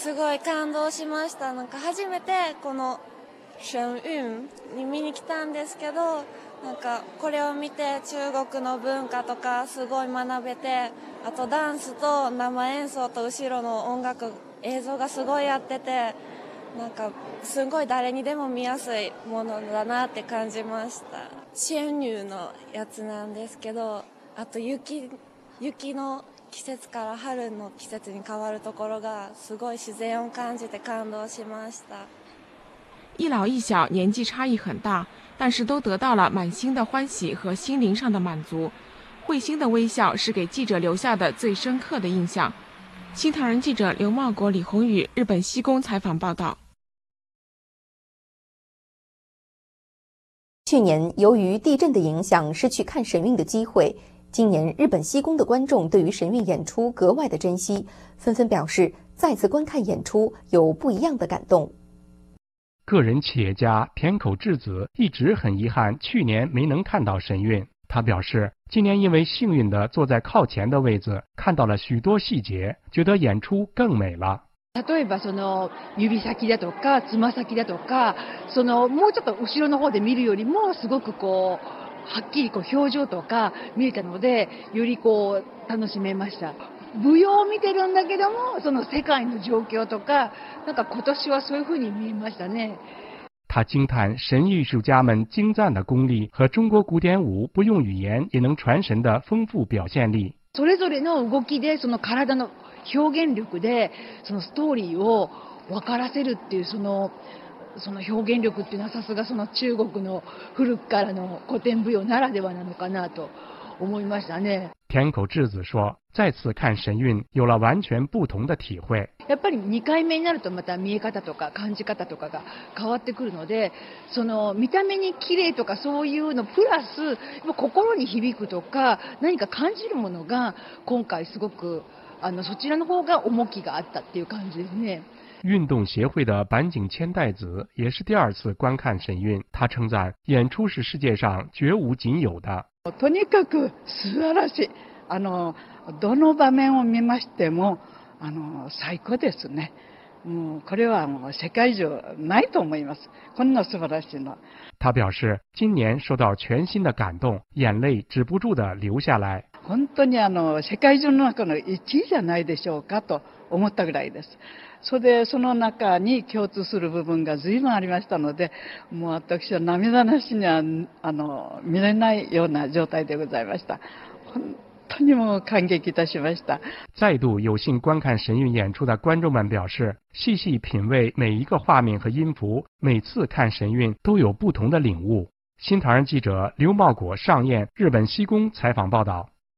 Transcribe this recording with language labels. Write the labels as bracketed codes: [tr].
[ja] すごい感動しました。なんか初めてこの神韵に見に来たんですけど、なんかこれを見て中国の文化とかすごい学べて、あとダンスと生演奏と後ろの音楽映像がすごいやってて、なんかすごい誰にでも見やすいものだなって感じました。神韵のやつなんですけど、あと雪の季節から春の季節に変わるところがすごい自然を感じて感動しました。 [zh] 一老一小，年纪差异很大，但是都得到了满心的欢喜和心灵上的满足。慧心的微笑是给记者留下的最深刻的印象。新唐人记者刘茂国、李宏宇，日本西宫采访报道。去年由于地震的影响失去看神韵的机会，今年日本西宫的观众对于神韵演出格外的珍惜，纷纷表示再次观看演出有不一样的感动。个人企业家田口智子一直很遗憾去年没能看到神韵。他表示，今年因为幸运地坐在靠前的位置，看到了许多细节，觉得演出更美了。 [ja] 例えばその指先だとかつま先だとか、そのもうちょっと後ろの方で見るよりもすごくこうはっきりこう表情とか見えたので、よりこう楽しめました。舞踊を見てるんだけども、その世界の状況とか、なんか今年はそういうふうに見えましたね。 [zh] 他惊叹神艺术家们精湛的功力和中国古典舞不用语言也能传神的丰富表现力。 [ja] それぞれの動きでその体の表現力でそのストーリーを分からせるっていうその表現力っていうのはさすがその中国の古くからの古典舞踊ならではなのかなと思いましたね。 [zh] 田口智子说再次看神韵有了完全不同的体会。 [ja] やっぱり2回目になるとまた見え方とか感じ方とかが変わってくるのでその見た目に綺麗とかそういうのプラス心に響くとか何か感じるものが今回すごくそちらの方が重きがあったっていう感じですね。 [zh] 运动协会的坂井千代子也是第二次观看神韵，他称赞演出是世界上绝无仅有的。 [ja] とにかく素晴らしい。どの場面を見ましても最高ですね。もうこれはもう世界中ないと思います。こんな素晴らしいの。 [zh] 他表示，今年受到全新的感动，眼泪止不住的流下来。 [ja] 本当に世界中の中の一位じゃないでしょうかと思ったぐらいです。それでその中に共通する部分が随分ありましたのでもう私は涙なしには見れないような状態でございました。本当にもう感激いたしました。 [zh] 再度有幸观看神韵演出的观众们表示细细品味每一个画面和音符每次看神韵都有不同的领悟。新唐人记者刘茂果上演日本西宫采访报道。